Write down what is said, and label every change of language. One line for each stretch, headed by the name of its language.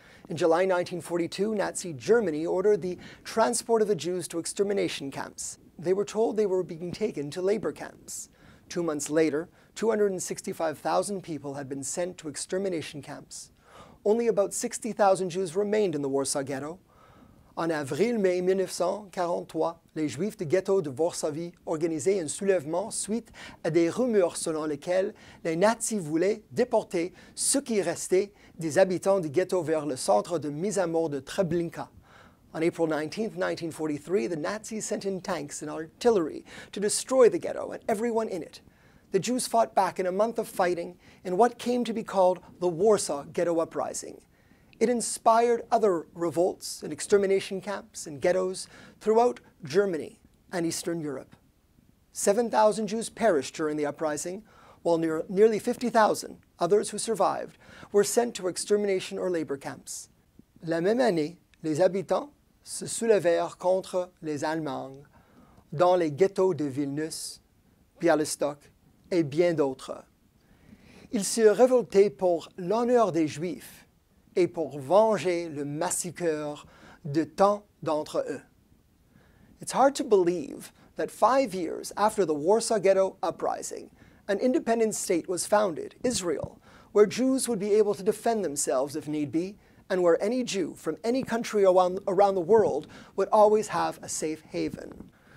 English: In July 1942, Nazi Germany ordered the transport of the Jews to extermination camps. They were told they were being taken to labor camps. 2 months later, 265,000 people had been sent to extermination camps. Only about 60,000 Jews remained in the Warsaw Ghetto.
French: En avril-mai 1943, les Juifs du ghetto de Varsovie organisaient un soulèvement suite à des rumeurs selon lesquelles les Nazis voulaient déporter ceux qui restaient des habitants du ghetto vers le centre de mise à mort de Treblinka.
English: On April 19, 1943, the Nazis sent in tanks and artillery to destroy the ghetto and everyone in it. The Jews fought back in a month of fighting in what came to be called the Warsaw Ghetto Uprising. It inspired other revolts and extermination camps and ghettos throughout Germany and Eastern Europe. 7,000 Jews perished during the uprising, while nearly 50,000 others who survived were sent to extermination or labor camps.
French: La même année, les habitants se soulevèrent contre les Allemands dans les ghettos de Vilnius, Bialystok et bien d'autres. Ils se révoltaient pour l'honneur des Juifs et pour venger le massacre de tant d'entre eux.
English: It's hard to believe that 5 years after the Warsaw Ghetto Uprising, an independent state was founded, Israel, where Jews would be able to defend themselves if need be, and where any Jew from any country around the world would always have a safe haven.